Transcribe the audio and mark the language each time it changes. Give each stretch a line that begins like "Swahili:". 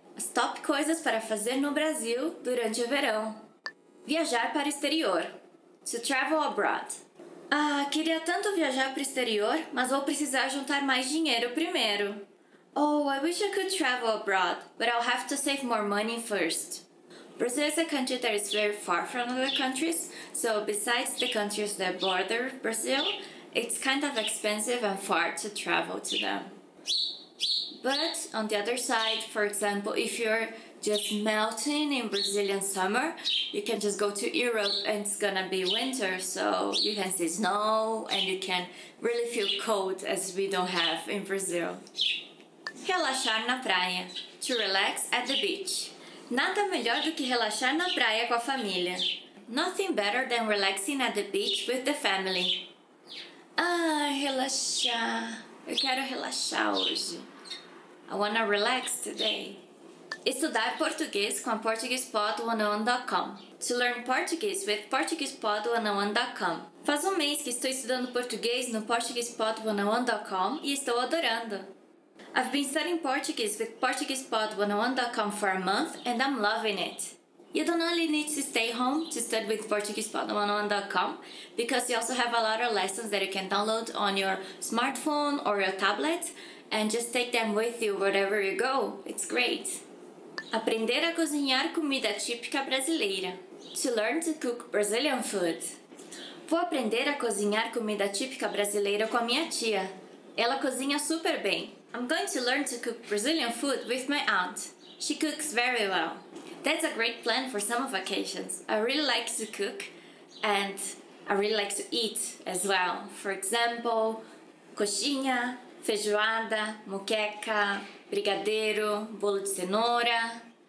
Portuguese: As top coisas para fazer no Brasil durante o verão. Viajar para o exterior.
English: To travel abroad.
Portuguese: Ah, queria tanto viajar para o exterior, mas vou precisar juntar mais dinheiro primeiro.
English: Oh, I wish I could travel abroad, but I'll have to save more money first. Brazil is a country that is very far from other countries, so besides the countries that border Brazil, it's kind of expensive and far to travel to them. But on the other side, for example, if you're just melting in Brazilian summer, you can just go to Europe and it's gonna be winter, so you can see snow and you can really feel cold as we don't have in Brazil.
Portuguese: Relaxar na praia.
English: To relax at the beach.
Portuguese: Nada melhor do que relaxar na praia com a família.
English: Nothing better than relaxing at the beach with the family.
Portuguese: Ah, relaxar. Eu quero relaxar hoje.
English: I wanna relax today.
Portuguese: Estudar português com a PortuguesePod101.com.
English: To learn Portuguese with PortuguesePod101.com.
Portuguese: Faz um mês que estou estudando português no PortuguesePod101.com e estou adorando.
English: I've been studying Portuguese with PortuguesePod101.com for a month and I'm loving it. You don't only need to stay home to study with PortuguesePod101.com because you also have a lot of lessons that you can download on your smartphone or your tablet and just take them with you wherever you go. It's great.
Portuguese: Aprender a cozinhar comida típica brasileira.
English: To learn to cook Brazilian food.
Portuguese: Vou aprender a cozinhar comida típica brasileira com a minha tia. Ela cozinha super bem.
English: I'm going to learn to cook Brazilian food with my aunt. She cooks very well. That's a great plan for summer vacations. I really like to cook and I really like to eat as well. For example, coxinha, feijoada, moqueca, brigadeiro, bolo de cenoura.